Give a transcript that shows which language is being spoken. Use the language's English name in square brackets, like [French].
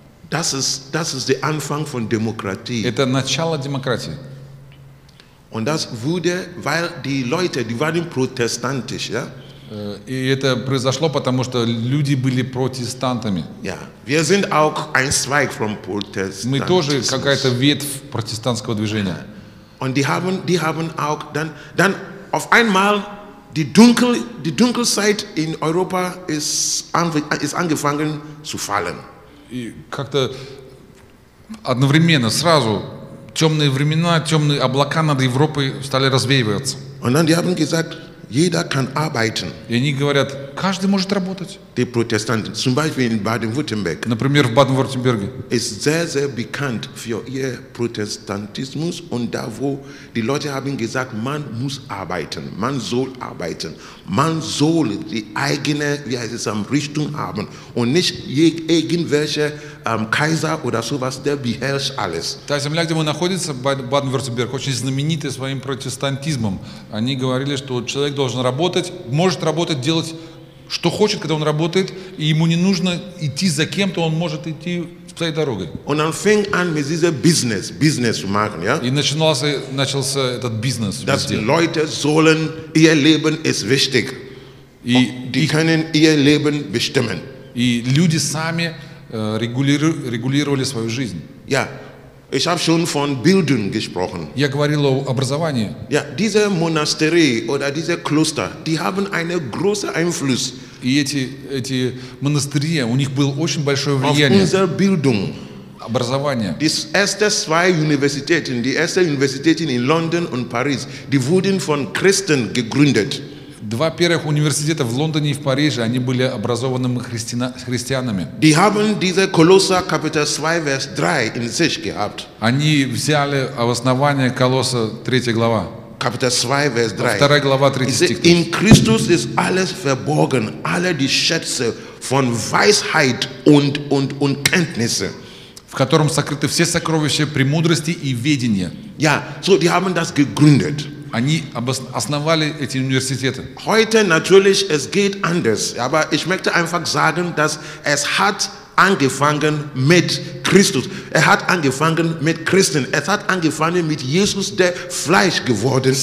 [German] Das ist der Anfang von Demokratie. [Russian] Это начало демократии. [German] Und das wurde, weil die Leute, die waren protestantisch, ja? [Russian] И это произошло, потому что люди были протестантами. [German] Ja, wir sind auch ein Zweig vom Protestantismus. [Russian] Мы тоже какая-то ветвь протестантского движения. [German] Und die haben auch dann auf einmal die Dunkelzeit in Europa ist angefangen zu fallen. [Russian] И как-то одновременно, сразу. Темные времена, темные облака над Европой стали развеиваться. [German] Und dann die haben gesagt, jeder kann arbeiten. [Russian] И они говорят, каждый может работать. [German] Die Protestanten, zum Beispiel in Baden-Württemberg. [Russian] Например, в Баден-Вюртемберге. [German] Ist sehr, sehr bekannt für ihr Protestantismus und da wo die Leute haben gesagt, man muss arbeiten, man soll arbeiten, man soll die eigene, wie heißt es, Richtung haben und nicht irgendwelche Kaiser oder sowas, der beherrscht alles. [Russian] Та земля, где мы находимся, Баден-Вюртемберг, очень знаменита своим протестантизмом. Они говорили, что человек должен работать, может работать, делать, что хочет, когда он работает, и ему не нужно идти за кем-то, он может идти своей дорогой. [German] Und dann fing an mit diesem Business zu machen, ja? [Russian] И начался этот бизнес. [German] Dass die Leute sollen, ihr Leben ist wichtig. [Russian] И [German] die können ihr Leben bestimmen. [Russian] И люди сами регулировали свою жизнь. [German] Ja, ich habe schon von Bildung gesprochen. [Russian] Я говорил о образовании. [German] Ja, diese Monasterie oder diese Kloster, die haben einen großen Einfluss. [Russian] И эти монастыри, у них было очень большое влияние. [German] Auf unsere Bildung. [Russian] Образование. [German] Die ersten zwei Universitäten, die erste Universität in London und Paris, die wurden von Christen gegründet. [Russian] Два первых университета в Лондоне и в Париже, они были образованы христианами. [German] Die haben diese Kolosser Kapitel 2 Vers 3 in sich gehabt. [Russian] Они взяли основание Колосса 3 глава. [German] Kapitel 2 Vers 3. [Russian] Вторая глава 3 стих. [German] In Christus ist alles verborgen, alle die Schätze von Weisheit und Kenntnisse. [Russian] В котором сокрыты все сокровища премудрости и ведения. [German] Ja, so die haben das gegründet. [Russian] Они основали эти университеты. [German] Heute natürlich es geht anders, aber ich möchte einfach sagen, dass es hat angefangen mit Christus. Er hat angefangen mit Christen. Es hat angefangen mit Jesus, der Fleisch geworden ist.